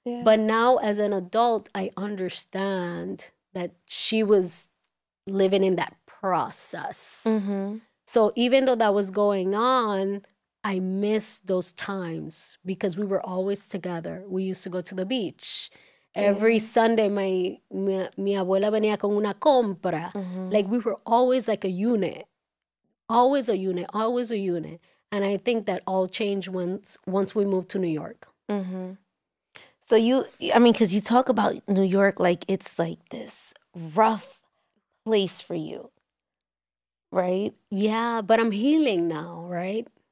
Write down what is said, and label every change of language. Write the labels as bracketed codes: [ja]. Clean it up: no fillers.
[en] But now, as an adult, I understand that she was living in that process. So even though that was going on, I miss those times because we were always together. We used to go to the beach. Every Sunday, [es] mi abuela venía con una compra. [en] Like we were always like a unit. Always a unit, always a unit. And I think that all changed once we moved to New York. So because you talk about New York like it's like this rough place for you, right? Yeah, but I'm healing now, right?